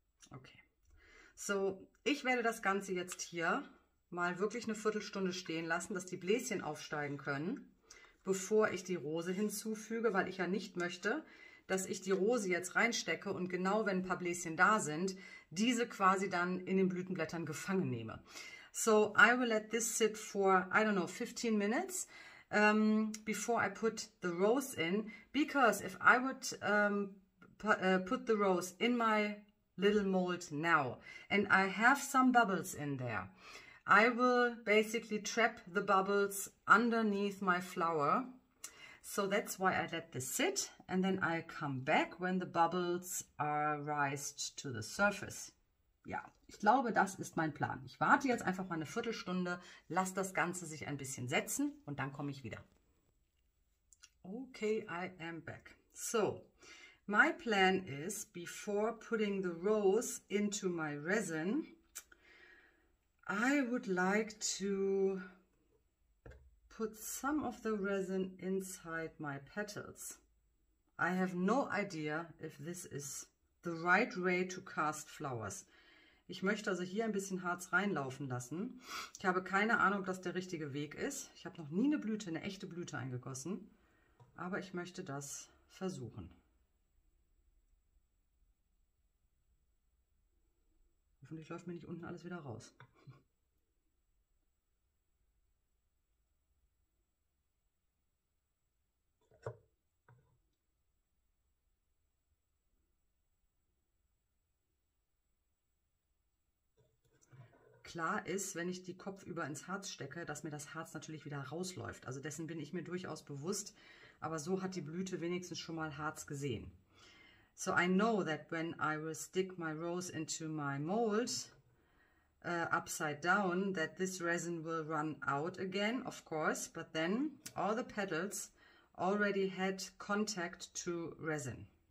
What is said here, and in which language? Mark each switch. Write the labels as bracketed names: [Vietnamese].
[German] Okay. So, ich werde das Ganze jetzt hier mal wirklich eine Viertelstunde stehen lassen, dass die Bläschen aufsteigen können, bevor ich die Rose hinzufüge, weil ich ja nicht möchte, dass ich die Rose jetzt reinstecke und genau wenn ein paar Bläschen da sind, diese quasi dann in den Blütenblättern gefangen nehme. [English] So, I will let this sit for, I don't know, 15 minutes before I put the rose in, because if I would put the rose in my little mold now and I have some bubbles in there, I will basically trap the bubbles underneath my flower. So that's why I let this sit, and then I come back when the bubbles are raised to the surface. [German] Ja, ich glaube, das ist mein Plan. Ich warte jetzt einfach mal eine Viertelstunde, lasse das Ganze sich ein bisschen setzen und dann komme ich wieder. [English] Okay, I am back. So, my plan is, before putting the rose into my resin, I would like to put some of the resin inside my petals. I have no idea if this is the right way to cast flowers. [German] Ich möchte also hier ein bisschen Harz reinlaufen lassen. Ich habe keine Ahnung, ob das der richtige Weg ist. Ich habe noch nie eine Blüte, eine echte Blüte eingegossen. Aber ich möchte das versuchen. Hoffentlich läuft mir nicht unten alles wieder raus. Klar ist, wenn ich die kopfüber ins Harz stecke, dass mir das Harz natürlich wieder rausläuft. Also dessen bin ich mir durchaus bewusst. Aber so hat die Blüte wenigstens schon mal Harz gesehen. [English] So I know that when I will stick my rose into my mold upside down, that this resin will run out again, of course. But then all the petals already had contact to resin.